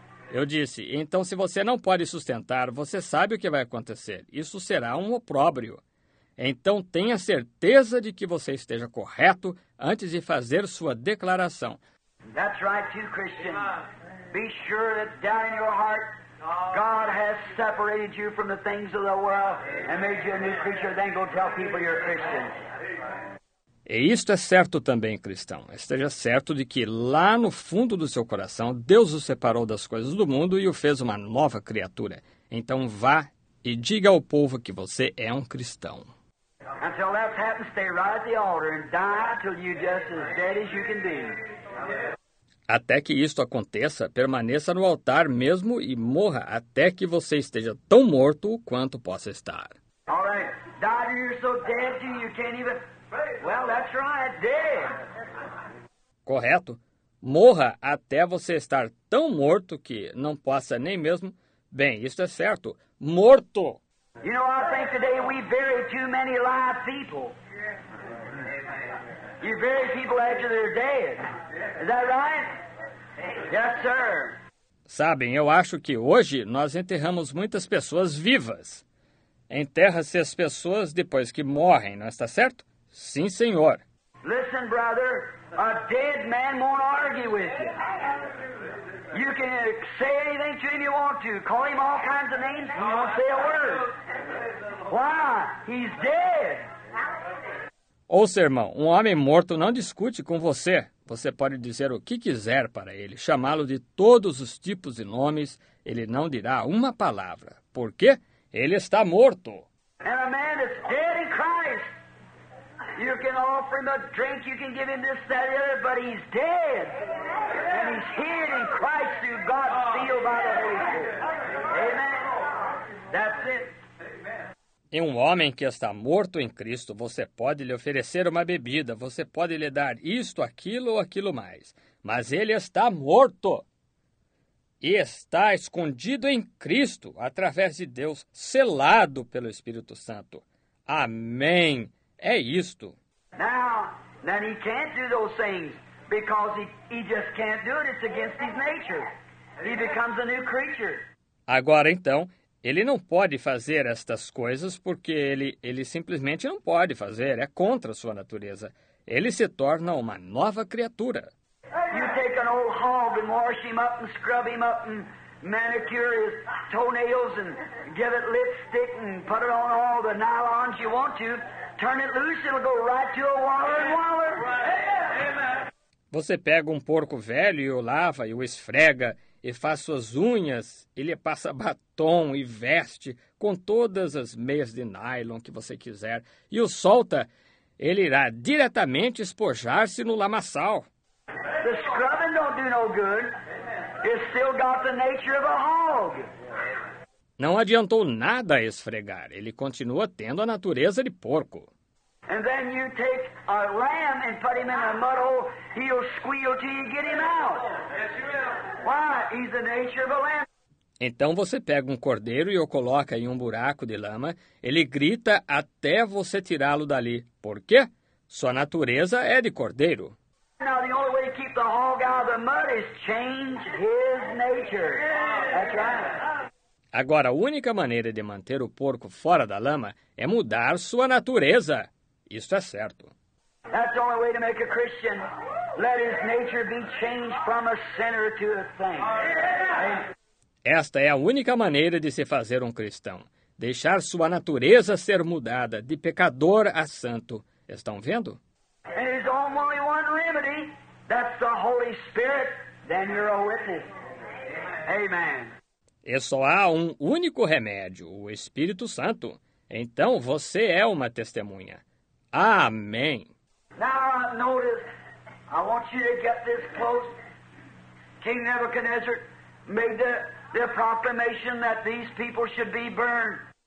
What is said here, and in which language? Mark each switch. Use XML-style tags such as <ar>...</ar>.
<pt>Eu disse, então se você não pode sustentar, você sabe o que vai acontecer. Isso será um opróbrio. Então tenha certeza de que você esteja correto antes de fazer sua declaração.</pt> <en>That's right too, Christian. Be sure that down in your heart, God has separated you from the things of the world and made you a new creature. Then go tell people you're a Christian.</en> <pt>E isto é certo também, cristão. Esteja certo de que lá no fundo do seu coração, Deus o separou das coisas do mundo e o fez uma nova criatura. Então vá e diga ao povo que você é um cristão.</pt> <en>Until that happens, stay right at the altar and die till you're just as dead as you can be.</en> <pt>Até que isto aconteça, permaneça no altar mesmo e morra até que você esteja tão morto quanto possa estar.</pt> <en>All right. Die till you're so dead till you can't even... Well, that's right, dead.</en> <pt>Correto. Morra até você estar tão morto que não possa nem mesmo... Bem, isto é certo. Morto.</pt> <en>You know, I think today we bury too many live people. You bury people after they're dead. Is that right? Yes, sir.</en> <pt>Sabem, eu acho que hoje nós enterramos muitas pessoas vivas. Enterra-se as pessoas depois que morrem, não está certo? Sim, senhor.</pt> <en>Listen, brother, a dead man won't argue with you. You can say anything to him you want to. Call him all kinds of names, he won't say a word. Why? He's dead.</en> <pt>Ouça, irmão, um homem morto não discute com você. Você pode dizer o que quiser para ele, chamá-lo de todos os tipos e nomes. Ele não dirá uma palavra. Por quê? Ele está morto.</pt> <en>And a man is dead in Christ. You can offer him a drink, you can give him this, that, the other, but he's dead. And he's hid in Christ through God's seal by the Holy Spirit. Amen. That's it.</en> <pt>Em um homem que está morto em Cristo, você pode lhe oferecer uma bebida, você pode lhe dar isto, aquilo ou aquilo mais. Mas ele está morto e está escondido em Cristo, através de Deus, selado pelo Espírito Santo. Amém. É isto.</pt> <en>Now he can't do those things because he just can't do it. It's against his nature. He becomes a new creature.</en> <pt>Agora então... Ele não pode fazer estas coisas porque ele simplesmente não pode fazer. É contra a sua natureza. Ele se torna uma nova criatura.</pt> <en>You take an old hog and wash him up and scrub him up and manicure his toenails and give it lipstick and put it on all the nylons you want to. Turn it loose, it'll go right to a waller and waller.</en> <pt>Você pega um porco velho e o lava e o esfrega. E faz suas unhas, ele passa batom e veste com todas as meias de nylon que você quiser. E o solta, ele irá diretamente espojar-se no lamaçal.</pt> <en>The scrubbing don't do no good. It's still got the nature of a hog.</en> <pt>Não adiantou nada esfregar. Ele continua tendo a natureza de porco.</pt> <en>And then you take a lamb and put him in a mud hole, he'll squeal till you get him out. Why? He's the nature of a lamb.</en> <pt>Então você pega um cordeiro e o coloca em um buraco de lama, ele grita até você tirá-lo dali. Por quê? Sua natureza é de cordeiro.</pt> <en>Now the only way to keep the hog out of the mud is change his nature. That's right.</en> <pt>Agora, a única maneira de manter o porco fora da lama é mudar sua natureza. Isso é certo.</pt> <en>That's the only way to make a Christian. Let his nature be changed from a sinner to a saint.</en> <pt>Esta é a única maneira de se fazer um cristão. Deixar sua natureza ser mudada de pecador a santo. Estão vendo?</pt> <en>And there's only one remedy. That's the Holy Spirit. Then you're a witness. Amen.</en> <pt>E só há um único remédio, o Espírito Santo. Então você é uma testemunha. Amém.</pt> <en>Now notice, I want you to get this close. King Nebuchadnezzar made the proclamation that these people should be burned.</en>